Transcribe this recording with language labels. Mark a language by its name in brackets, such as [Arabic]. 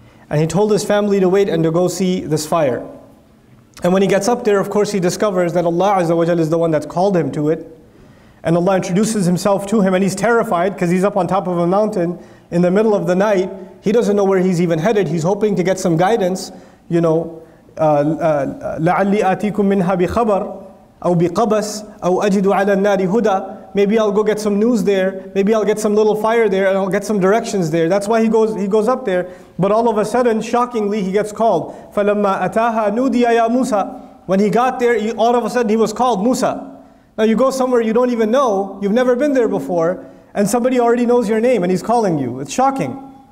[English] And he told his family to wait and to go see this fire. And when he gets up there, of course, he discovers that Allah Azza wa Jal is the one that's called him to it. And Allah introduces himself to him, and he's terrified because he's up on top of a mountain in the middle of the night. He doesn't know where he's even headed. He's hoping to get some guidance. You know, [Arabic] لَعَلِّي آتِيكُم مِّنْهَا بِخَبَرٍ أَوْ بِقَبَسٍ أَوْ أَجِدُ عَلَى النَّارِ هُدًى. [English] Maybe I'll go get some news there. Maybe I'll get some little fire there and I'll get some directions there. That's why he goes up there. But all of a sudden, shockingly, he gets called. [Arabic] فَلَمَّا أَتَاهَا نُودِيَ يَا مُوسَى. [English] When he got there, all of a sudden he was called Musa. Now you go somewhere you don't even know, you've never been there before, and somebody already knows your name and he's calling you. It's shocking.